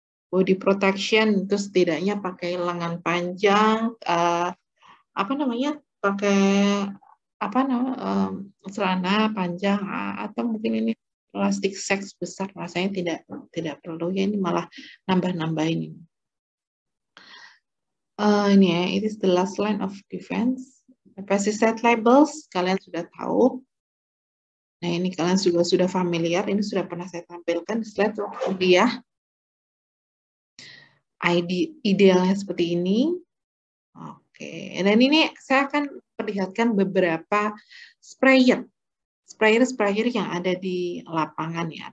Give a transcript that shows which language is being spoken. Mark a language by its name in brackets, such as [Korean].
[Indonesian] Body protection itu setidaknya pakai lengan panjang, apa namanya, pakai apa namanya, celana panjang atau mungkin ini plastik sack besar, rasanya tidak tidak perlu ya, ini malah nambah-nambah ini. Ini ya, [English] it is the last line of defense. [Indonesian] Pesticide labels kalian sudah tahu. Nah, ini kalian sudah familiar, ini sudah pernah saya tampilkan di slide waktu ya. ID idealnya seperti ini. Oke, dan ini saya akan perlihatkan beberapa sprayer yang ada di lapangan ya.